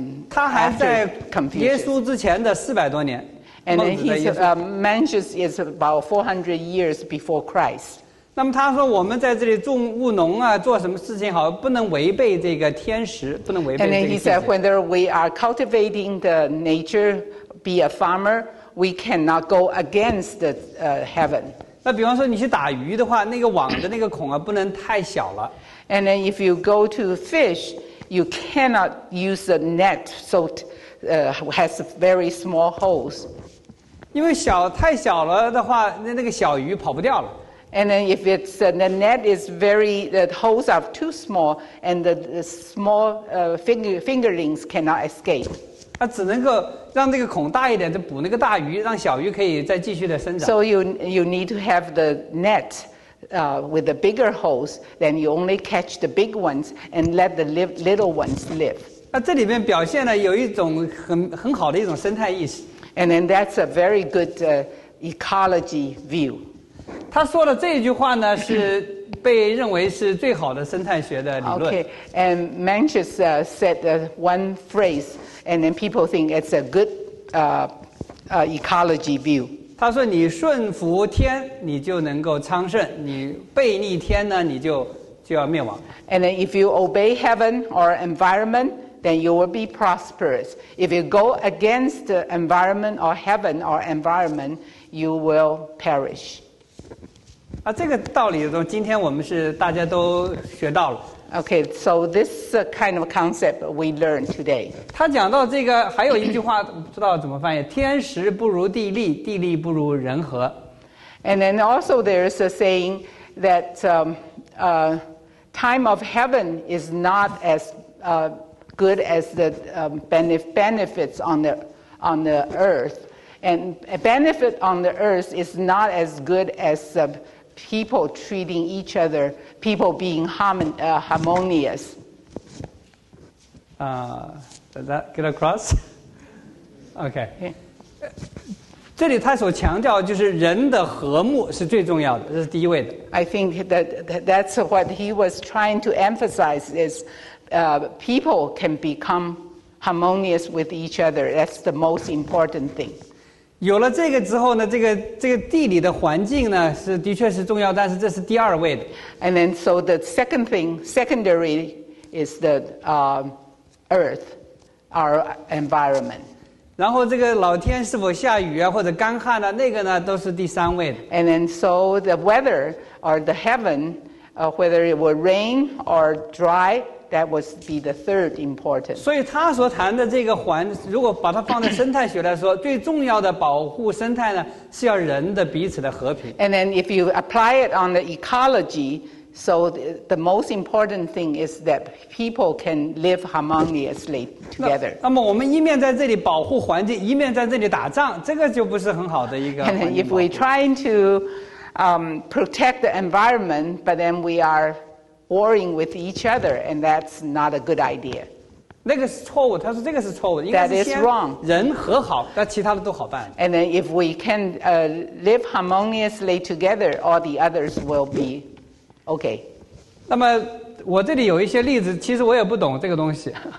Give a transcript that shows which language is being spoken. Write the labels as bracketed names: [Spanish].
[Chinese] 他还在耶稣之前的400多年。 [English] And then Mencius is about 400 years before Christ. [Chinese] 那么他说我们在这里种务农啊，做什么事情好，不能违背这个天时，不能违背这个天时。 [English] And then he said, when we are cultivating the nature, be a farmer, we cannot go against the heaven. [Chinese] 那比方说你去打鱼的话，那个网的那个孔啊，不能太小了。 [English] And then if you go to fish,You cannot use a net, so it has very small holes. [Chinese] 因为小太小了的话，那个小鱼跑不掉了。 [English] And then if it's the net is very, the holes are too small, and the small fingerlings cannot escape. [Chinese] 那只能够让这个孔大一点，再补那个大鱼，让小鱼可以再继续的生长。 [English] So you need to have the net. With the bigger holes, then you only catch the big ones and let the little ones live. [Chinese] 那这里面表现了有一种很好的一种生态意识。 [English] And then that's a very good ecology view. [Chinese] 他说的这句话呢，是被认为是最好的生态学的理论。 [English] Okay, and Mencius said one phrase, and then people think it's a good ecology view. [Chinese] 他说你顺服天你就能够昌盛，你背逆天呢你就要灭亡。 [English] And then if you obey heaven or environment, then you will be prosperous. If you go against the environment or heaven or environment, you will perish. [Chinese] 啊，这个道理中今天我们是大家都学到了。 [English] Okay, so this kind of concept we learned today. [Chinese] 他讲到这个还有一句话不知道怎么翻译，天时不如地利，地利不如人和。 [English] And then also there is a saying that time of heaven is not as good as the benefits on the earth. And a benefit on the earth is not as good as people treating each other, people being harmonious. Does that get across? Okay. [Chinese] 这里他所强调就是人的和睦是最重要的，这是第一位的。 [English] I think that's what he was trying to emphasize is people can become harmonious with each other. That's the most important thing. [Chinese] 有了这个之后呢，这个地理的环境呢是的确是重要，但是这是第二位的。 [English] And then so the second thing, secondary is the earth, our environment. [Chinese] 然后这个老天是否下雨啊，或者干旱啊，那个呢都是第三位的。 [English] And then so the weather or the heaven, whether it will rain or dry. That would be the third important. [Chinese] 所以他所谈的这个环，如果把它放在生态学来说，最重要的保护生态呢，是要人的彼此的和平。 [English] And then if you apply it on the ecology, so the most important thing is that people can live harmoniously together. [Chinese] 那么我们一面在这里保护环境，一面在这里打仗，这个就不是很好的一个环境保护。 [English] And if we're trying to protect the environment, but then we are warring with each other, and that's not a good idea. [Chinese] 那个是错误，他说这个是错误，应该是先人和好，那其他的都好办。 [English] And then if we can live harmoniously together, all the others will be okay. [Chinese] 那么我这里有一些例子，其实我也不懂这个东西。